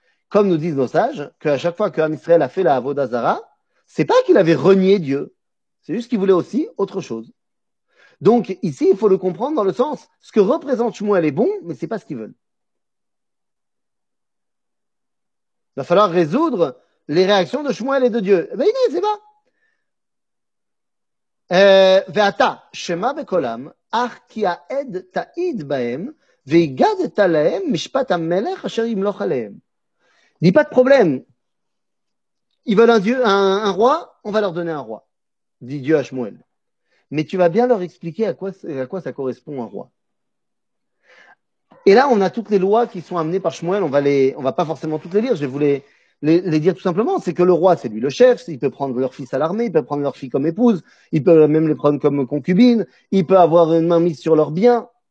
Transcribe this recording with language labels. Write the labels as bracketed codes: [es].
[fr] Comme nous disent nos sages, qu'à chaque fois qu'Am Israël a fait la Avodah Zara, c'est pas qu'il avait renié Dieu. C'est juste qu'il voulait aussi autre chose. Donc, ici, il faut le comprendre dans le sens, ce que représente Shmuel est bon, mais c'est pas ce qu'ils veulent. Il va falloir résoudre les réactions de Shmuel et de Dieu. Eh ben, il dit, c'est pas. [he] Ve'ata, Shema Bekolam, אך כי העד תעיד בהם, והגדת להם משפט המלך אשר ימלוך עליהם. [fr] N'y a pas de problème. Ils veulent un roi, on va leur donner un roi, dit Dieu à Shmuel. Mais tu vas bien leur expliquer à quoi ça correspond un roi. Et là, on a toutes les lois qui sont amenées par Shmuel, on va pas forcément toutes les lire, je voulais les dire tout simplement, c'est que le roi, c'est lui le chef, il peut prendre leur fils à l'armée, il peut prendre leur fille comme épouse, il peut même les prendre comme concubine, il peut avoir une main mise sur leurs biens.